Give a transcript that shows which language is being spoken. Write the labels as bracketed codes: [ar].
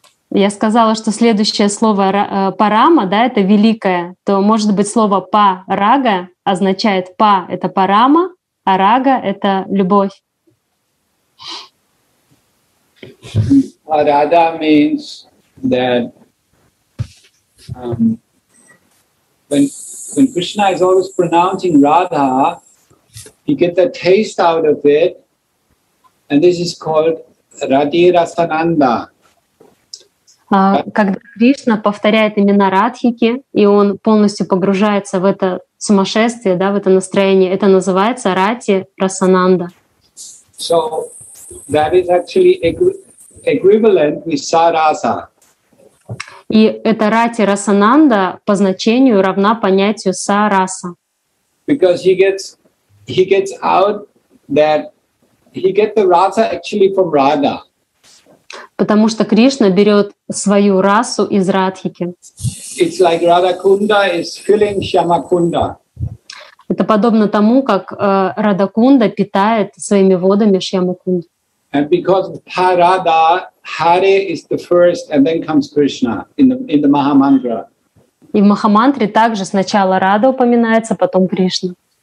[ru] Я сказала, что следующее слово парама, да, это великое. То может быть слово парага означает па, это парама, а рага это любовь. [en] Parada means that when Krishna is always pronouncing Radha, he gets a taste out of it, and this is called Radhi Rasananda. [ru] Когда Кришна повторяет имена Радхики, и он полностью погружается в это сумасшествие, да, в это настроение, это называется Радхи Расананда. [en] So, that is actually equivalent with Sarasa. [ru] И эта Рати Расананда по значению равна понятию Сараса. [en] Because he gets out that he gets the Rasa actually from Radha. [ru] Потому что Кришна берет свою расу из Радхики. [en] It's like Radha Kunda is filling Shyama Kunda. [ru] Это подобно тому, как Радха Кунда питает своими водами Шьяму Кунду. [en] And because of Parada, Hare is the first, and then comes Krishna in the Mahamantra. [ru] И в Махамантре также сначала Рада упоминается, потом Кришна.